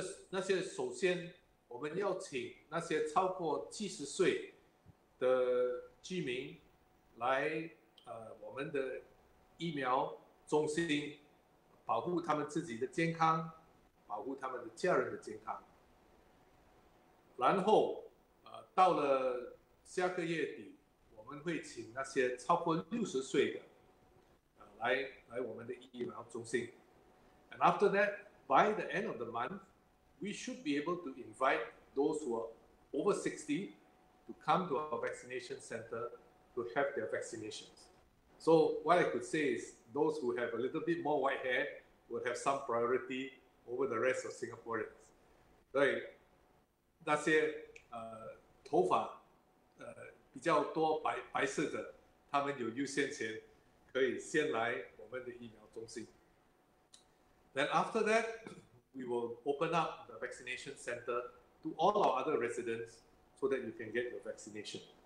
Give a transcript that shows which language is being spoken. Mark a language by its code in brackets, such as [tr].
[zh] 那些首先我们要请那些超过70岁的居民来我们的疫苗中心，保护他们自己的健康，保护他们的家人的健康。然后到了下个月底，我们会请那些超过60岁的来我们的疫苗中心。 [en] And after that, by the end of the month, we should be able to invite those who are over 60to come to our vaccination center to have their vaccinations. So what I could say is those who have a little bit more white hair would have some priority over the rest of Singaporeans. [zh] 对，那些头发比较多白色的，他们有优先权，可以先来我们的疫苗中心。 [en] Then after that, we will open up the vaccination center to all our other residents,so that you can get your vaccination.